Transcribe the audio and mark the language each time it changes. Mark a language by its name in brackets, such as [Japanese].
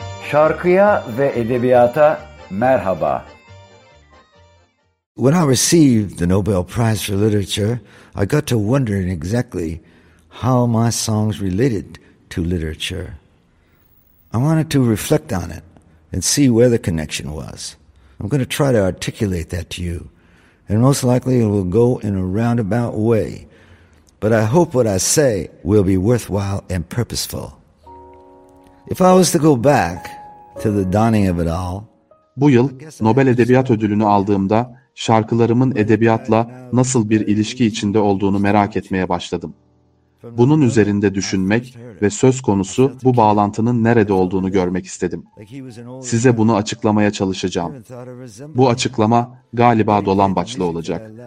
[Turkish] Şarkıya ve edebiyata merhaba. [English] When I received the Nobel Prize for Literature, I got to wondering exactly how my songs related to literature. I wanted to reflect on it and see where the connection was. I'm going to try to articulate that to you, and most likely it will go in a roundabout way, but I hope what I say will be worthwhile and purposeful. If I was to go back to the dawning of it all, [Turkish] bu yıl Nobel Edebiyat Ödülünü aldığımda şarkılarımın edebiyatla nasıl bir ilişki içinde olduğunu merak etmeye başladım. Bunun üzerinde düşünmek ve söz konusu bu bağlantının nerede olduğunu görmek istedim. Size bunu açıklamaya çalışacağım. Bu açıklama galiba dolambaçlı olacak.